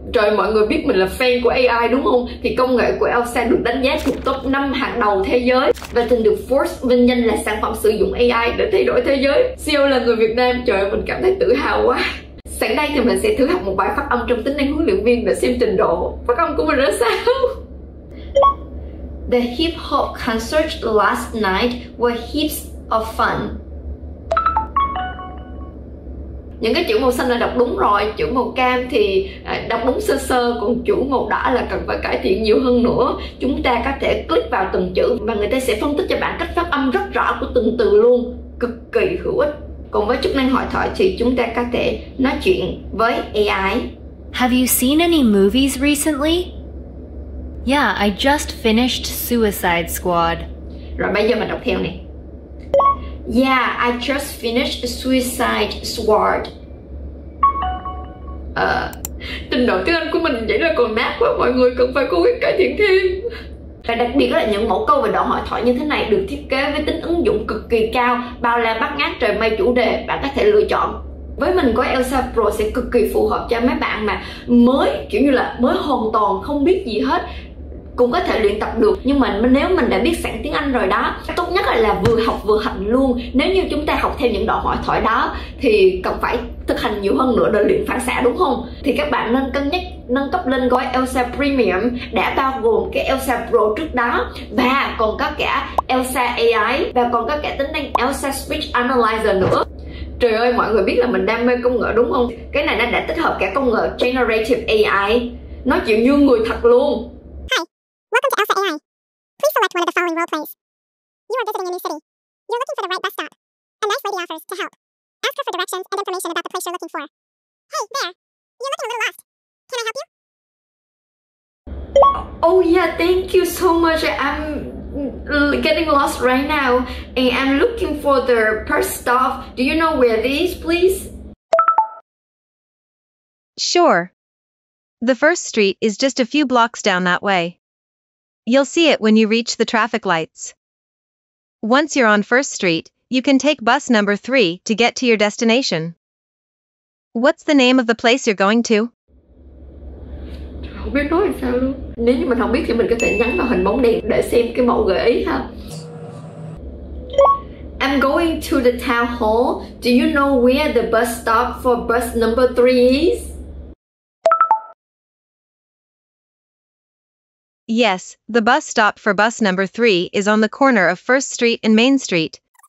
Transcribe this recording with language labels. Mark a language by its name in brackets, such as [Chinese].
[Vietnamese] Trời, mọi người biết mình là fan của AI đúng không? Thì công nghệ của Elsa được đánh giá thuộc top 5 hàng đầu thế giới và từng được Forbes vinh danh là sản phẩm sử dụng AI để thay đổi thế giới. CEO là người Việt Nam, trời ơi, mình cảm thấy tự hào quá. Sẵn đây thì mình sẽ thử học một bài phát âm trong tính năng huấn luyện viên để xem trình độ phát âm của mình ra sao. [English] The hip hop concert last night were heaps of fun. [Vietnamese] Những cái chữ màu xanh là đọc đúng rồi, chữ màu cam thì đọc đúng sơ sơ, còn chữ màu đỏ là cần phải cải thiện nhiều hơn nữa. Chúng ta có thể click vào từng chữ và người ta sẽ phân tích cho bạn cách phát âm rất rõ của từng từ luôn, cực kỳ hữu ích. Còn với chức năng hội thoại thì chúng ta có thể nói chuyện với AI. [English] Have you seen any movies recently? Yeah, I just finished Suicide Squad. [Vietnamese] Rồi bây giờ mình đọc theo nè. [English] Yeah, I just finished Suicide Squad. [Vietnamese] Trình độ tiếng Anh của mình vậy là còn nát quá, mọi người cần phải cố gắng cải thiện thêm. Và đặc biệt là những mẫu câu và đoạn hội thoại như thế này được thiết kế với tính ứng dụng cực kỳ cao, bao la bát ngát trời mây chủ đề bạn có thể lựa chọn. Với mình, gói Elsa Pro sẽ cực kỳ phù hợp cho mấy bạn mà mới, kiểu như là mới hoàn toàn không biết gì hết, cũng có thể luyện tập được. Nhưng mà nếu mình đã biết sẵn tiếng Anh rồi đó, tốt nhất là vừa học vừa hành luôn. Nếu như chúng ta học theo những đoạn hội thoại đó thì cần phải thực hành nhiều hơn nữa để luyện phản xạ, đúng không? Thì các bạn nên cân nhắc nâng cấp lên gói Elsa Premium đã bao gồm cái Elsa Pro trước đó và còn có cả Elsa AI và còn có cả tính năng Elsa Speech Analyzer nữa. Trời ơi, mọi người biết là mình đam mê công nghệ đúng không? Cái này nó đã tích hợp cả công nghệ Generative AI. Nói chuyện như người thật luôn. [English] Hi, welcome to Elsa AI. Please select one of the following role plays. You are visiting a new city. You're looking for the right bus stop. A nice lady offers to help. Ask her for directions and information about the place you're looking for. Hey, there. You're looking a little lost. Can I help you? Oh yeah, thank you so much. I'm getting lost right now and I'm looking for the first stop. Do you know where it is, please? Sure. The first street is just a few blocks down that way. You'll see it when you reach the traffic lights. Once you're on First Street, you can take bus number 3 to get to your destination. What's the name of the place you're going to? [Vietnamese] Không biết nói làm sao luôn. Nếu như mình không biết thì mình có thể nhắn vào hình bóng đèn để xem cái mẫu gợi ý ha. [English] I'm going to the town hall. Do you know where the bus stop for bus number 3 is? Yes, the bus stop for bus number 3 is on the corner of First Street and Main Street.